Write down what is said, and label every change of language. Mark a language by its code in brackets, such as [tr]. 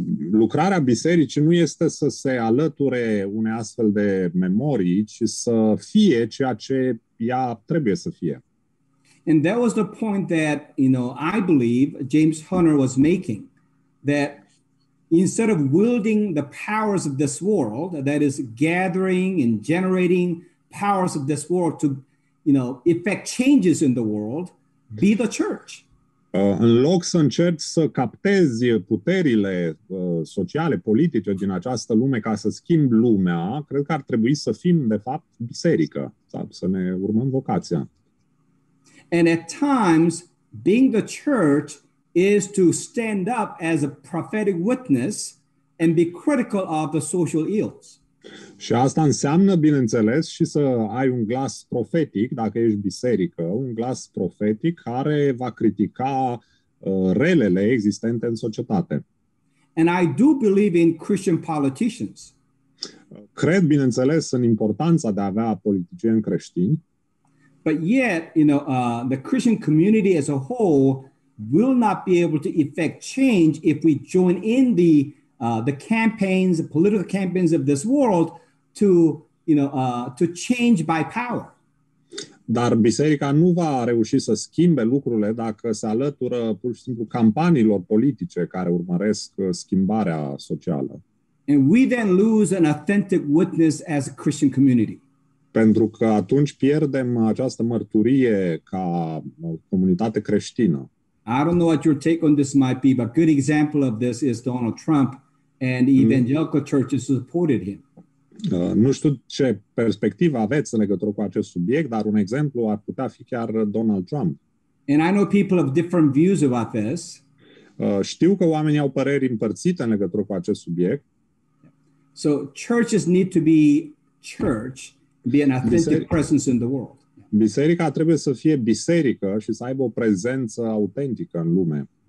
[ro] lucrarea bisericii nu este să se alăture unei astfel de memorii, ci să fie ceea ce ea trebuie să fie. [en] And that was the point that, you know, I believe James Hunter was making, that instead of wielding the powers of this world, that is gathering and generating powers of this world to, you know, effect changes in the world, be the church. [ro] În loc să încerci să captezi puterile sociale, politice din această lume ca să schimbi lumea, cred că ar trebui să fim, de fapt, biserică, să ne urmăm vocația. [en] And at times, being the church is to stand up as a prophetic witness and be critical of the social ills. [ro] Și asta înseamnă, bineînțeles, și să ai un glas profetic, dacă ești biserică, un glas profetic care va critica relele existente în societate. [en] And I do believe in Christian politicians. [ro] Cred, bineînțeles, în importanța de a avea politicieni creștini. [en] But yet, you know, the Christian community as a whole will not be able to effect change if we join in the campaigns, the political campaigns of this world to change by power. [ro] Dar biserica nu va reuși să schimbe lucrurile dacă se alătură pur și simplu campaniilor politice care urmăresc schimbarea socială. [en] And we then lose an authentic witness as a Christian community. [ro] Pentru că atunci pierdem această mărturie ca comunitate creștină. [en] I don't know what your take on this might be, but a good example of this is Donald Trump and the evangelical churches supported him. [ro] Nu știu ce perspectivă aveți în legătură cu acest subiect, dar un exemplu ar putea fi chiar Donald Trump. [en] And I know people have different views about this. [ro] Știu că oamenii au păreri împărțite în legătură cu acest subiect. [en] So churches need to be church. Be an authentic presence in the world. [ro] Biserica trebuie să fie biserică și să aibă o prezență autentică în lume.